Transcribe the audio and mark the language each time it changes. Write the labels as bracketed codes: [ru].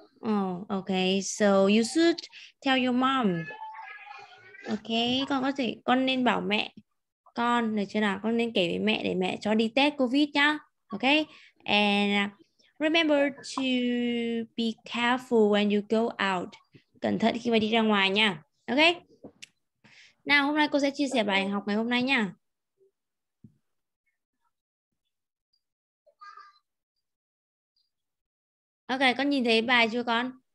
[en] Oh, okay, so you should tell your mom. [vi] Okay, con có thể con nên bảo mẹ con được chưa nào? Con nên kể với mẹ để mẹ cho đi test COVID nhá. [en] Okay, and remember to be careful when you go out. [vi] Cẩn thận khi mà đi ra ngoài nha. Ok. Nào, hôm nay cô sẽ chia sẻ bài học ngày hôm nay nha. Ok, con nhìn thấy bài chưa con?